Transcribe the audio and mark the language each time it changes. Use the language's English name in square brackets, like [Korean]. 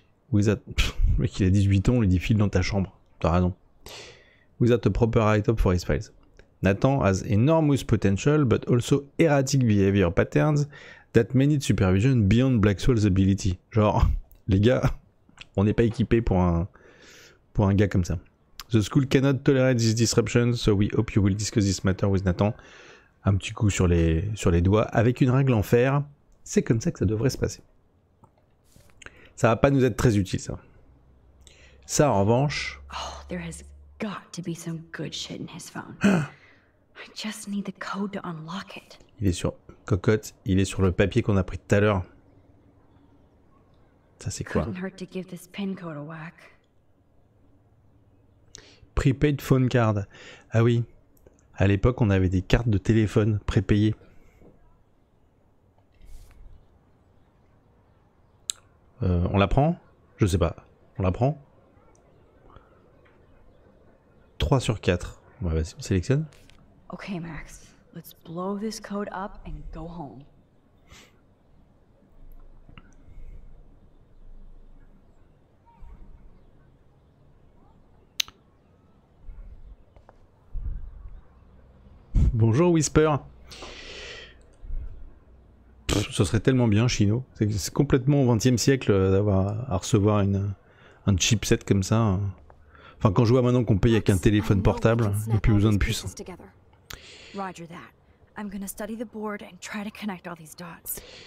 [French] Without, mec, il a 18 ans, on lui dit file dans ta chambre. T'as raison. [English] Without a proper write-up for his files. Nathan has enormous potential, but also erratic behavior patterns that may need supervision beyond Blackswell's ability. [French] Genre, les gars, on n'est pas équipés pour un gars comme ça. [English] The school cannot tolerate this disruption, so we hope you will discuss this matter with Nathan. [French] Un petit coup sur les doigts avec une règle en fer. C'est comme ça que ça devrait se passer. Ça va pas nous être très utile, ça. Ça, en revanche... [English] Oh, there has got to be some good shit in his phone. I just need the code to unlock it. [French] Il est sur... Cocotte, il est sur le papier qu'on a pris tout à l'heure. Ça, c'est quoi? [English] Couldn't hurt to give this pin code a whack. Prepaid phone card. [French] Ah oui, à l'époque, on avait des cartes de téléphone prépayées. On la prend? Je sais pas. On la prend? 3 sur 4. Ouais, vas-y, on sélectionne. Ok, Max. [English] Let's blow this code up and go home. [French] Bonjour Whisper. Ce serait tellement bien, Chino. C'est complètement au 20e siècle d'avoir à recevoir un chipset comme ça. Enfin, quand je vois maintenant qu'on paye avec un téléphone portable, il n'y a plus besoin de puce. [English] Roger that. I'm gonna study the board and try to connect all these dots.